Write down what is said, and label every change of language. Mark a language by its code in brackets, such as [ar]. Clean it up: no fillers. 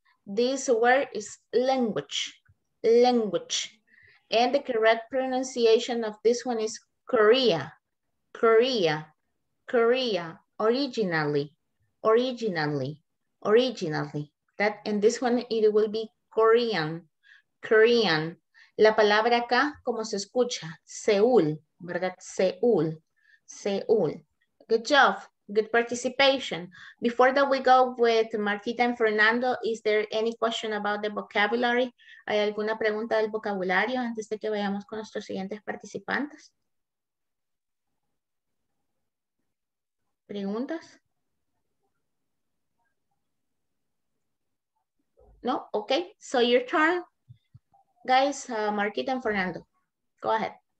[en] This word is language. Language. And the correct pronunciation of this one is Korea. Korea. Korea. Originally. Originally. Originally. That, and this one, it will be Korean. Korean. [es] La palabra acá, como se escucha, Seúl, ¿verdad? [en] Seúl, Seúl. Good job, good participation. Before that we go with Martita and Fernando, is there any question about the vocabulary? [es] ¿Hay alguna pregunta del vocabulario antes de que vayamos con nuestros siguientes participantes? ¿Preguntas? [en] No, okay, so your turn. Guys, Marquita and Fernando, go ahead.